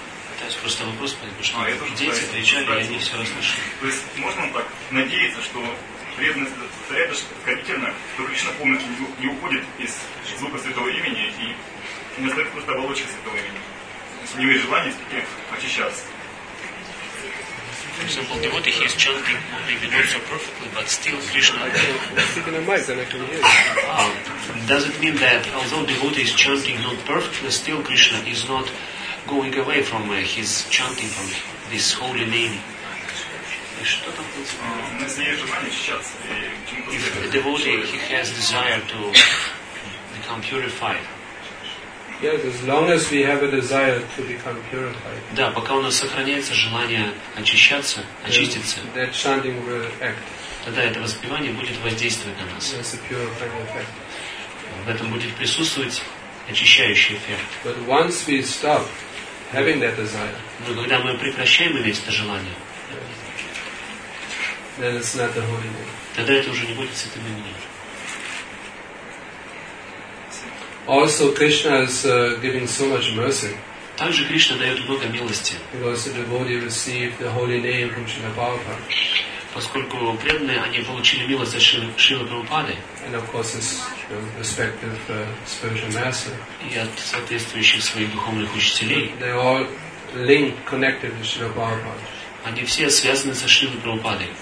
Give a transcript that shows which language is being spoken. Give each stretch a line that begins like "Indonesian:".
Russian: Пытаюсь просто вопрос понять, что дети отвечали, и они все расслышали. То есть можно так надеяться, что преданность повторяет, что скорбительно, что Кришна полностью не уходит из звука святого имени и не остается просто оболочка святого имени. То есть у него есть желание все-таки очищаться.
English: For example, the devotee, he is chanting maybe not so perfectly, but still Krishna. Does it mean that although the devotee is chanting not perfectly, still Krishna is not going away from his chanting from this holy name? If the devotee, he has desire to become purified. Yes, as long as we have a desire to become purified.
Russian: Да, пока у нас сохраняется желание очищаться, очиститься.
English: That chanting will act.
Russian: Тогда это воспевание будет воздействовать на нас.
English: Yes, a purifying effect.
Russian: В этом будет присутствовать очищающий эффект.
English: But once we stop having that desire.
Russian: Но когда мы прекращаем иметь это желание.
English: Then it's not the holy name.
Russian: Тогда это уже не будет святым именем.
English: Also, Krishna is giving so much mercy.
Russian: Также Кришна дает много милости.
English: Because the devotee received the holy name from Srila Prabhupada.
Russian: Поскольку преданные они получили милость от Шрилы Прабхупады.
English: And of course, his respective spiritual master.
Russian: И от соответствующих своих духовных учителей.
English: They all linked, connected with Srila Prabhupada.
Russian: Они все связаны со Шрилой Прабхупадой.